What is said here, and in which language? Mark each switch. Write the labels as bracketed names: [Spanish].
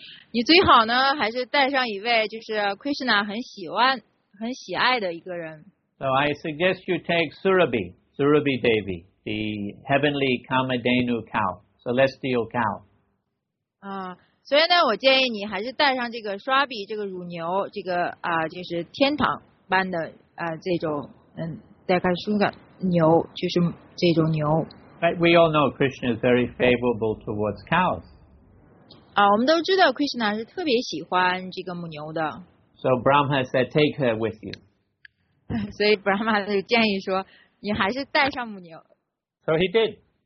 [Chinese] 你最好呢还是带上一位就是 Krishna 很喜爱的一个人。 [English] So I suggest you take Surabhi Devi, the heavenly Kamadenu cow, celestial cow. [Chinese] 所以呢我建议你还是带上这个 Surabhi 这个乳牛，这个就是天堂般的这种带看书的牛，就是这种牛。 [English] But we all know Krishna is very favorable towards cows. [Chinese] 我们都知道 Krishna 是特别喜欢这个母牛的。 [English] So Brahma said, take her with you. [Chinese] 所以 Brahma 就建议说，你还是带上母牛。 [English] So he did.